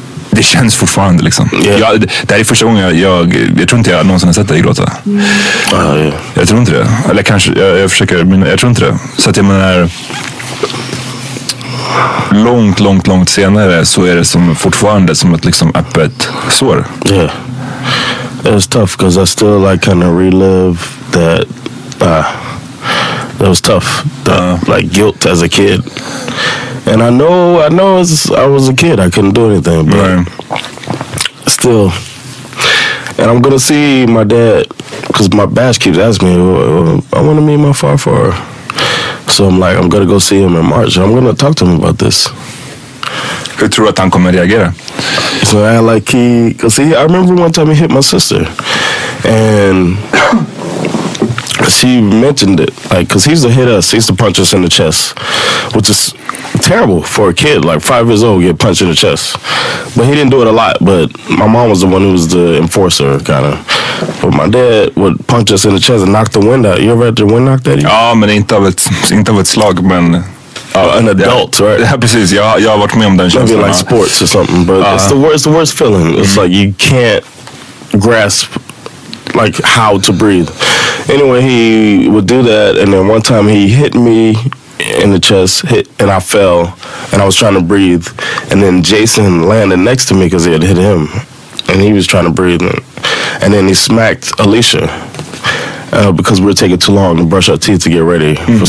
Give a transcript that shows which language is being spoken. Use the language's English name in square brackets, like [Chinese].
[Swedish] Det känns fortfarande liksom. [English] Yeah. [Swedish] Det här är första gången jag tror inte jag någonsin har sett dig gråta. Jag tror inte det. Eller kanske, jag försöker, men jag tror inte det. Så att jag menar, långt, långt, långt senare så är det som fortfarande som ett liksom öppet sår. [English] Yeah. It's tough because I still like kind of relive that, that was tough. Like guilt as a kid. And I know I was a kid, I couldn't do anything, but right. Still. And I'm going to see my dad, because my bash keeps asking me, I want to meet my far. So I'm like, I'm going to go see him in March, I'm going to talk to him about this. [Swedish] Hur tror du att han kommer reagera? [English] So I like, I remember one time he hit my sister, and... She mentioned it, like, because he used to hit us. He used to punch us in the chest, which is terrible for a kid, like 5 years old, get punched in the chest. But he didn't do it a lot, but my mom was the one who was the enforcer, kind of. But my dad would punch us in the chest and knock the wind out. You ever had your wind knocked out? [Swedish] Ja, men inte av ett slag, men... [English] An adult, yeah. Right? Yeah, [Swedish] precis. Jag har varit med om den [English] känslan. Maybe like sports or something, but it's the worst feeling. It's like you can't grasp, like, how to breathe. Anyway, he would do that, and then one time he hit me in the chest, hit, and I fell, and I was trying to breathe, and then Jason landed next to me because he had hit him, and he was trying to breathe, and then he smacked Alicia because we were taking too long to brush our teeth to get ready mm-hmm.